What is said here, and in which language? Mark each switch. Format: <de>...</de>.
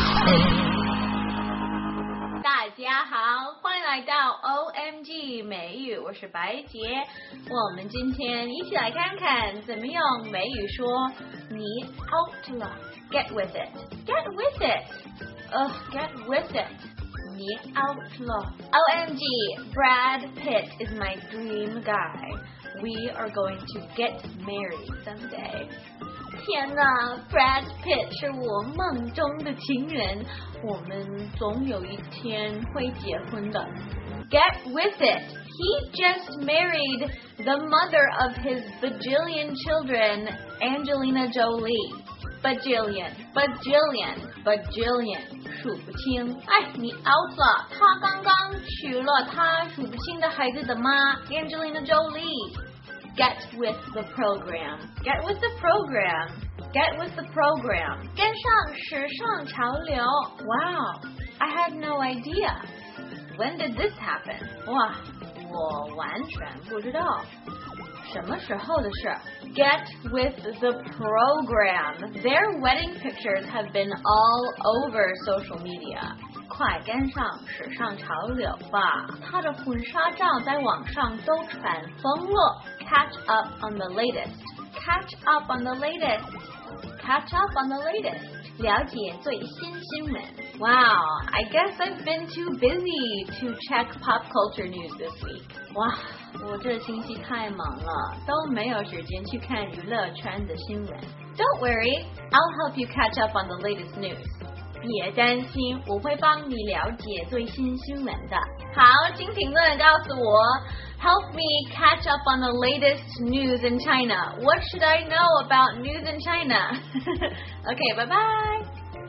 <zh>大家好，欢迎来到 OMG 美语，我是白杰。我们今天一起来看看怎么用美语说你 out 了。</zh> <en>Get with it, get with it, get with it. Out law. OMG, Brad Pitt is my dream guy. We are going to get married someday.</en> <zh>天哪， Brad Pitt 是我梦中的情人，我们总有一天会结婚的。</zh> <en>Get with it. He just married the mother of his bajillion children, Angelina Jolie. Bajillion, bajillion, bajillion.</en> <zh>数不清，哎，你 out 了，他刚刚娶了他数不清的孩子的妈 Angelina Jolie.</zh> <en>Get with the program. Get with the program. Get with the program.</en> <zh>跟上时尚潮流。</zh> <en>Wow, I had no idea. When did this happen?</en> <zh>哇，我完全不知道什么时候的事。</zh> <en>Get with the program. Their wedding pictures have been all over social media.</en> <zh>快跟上时尚潮流吧。他的婚纱照在网上都传疯了。</zh> <en>Catch up on the latest. Catch up on the latest. Catch up on the latest.</en> <zh>了解最新新闻。</zh> <en>Wow, I guess I've been too busy to check pop culture news this week.</en> <zh>哇，我这星期太忙了，都没有时间去看娱乐圈的新闻。</zh> <en>Don't worry, I'll help you catch up on the latest news.</en> <zh>别担心，我会帮你了解最新新闻的。好，请评论告诉我。</zh> <en>Help me catch up on the latest news in China. What should I know about news in China? Okay, bye-bye.</en>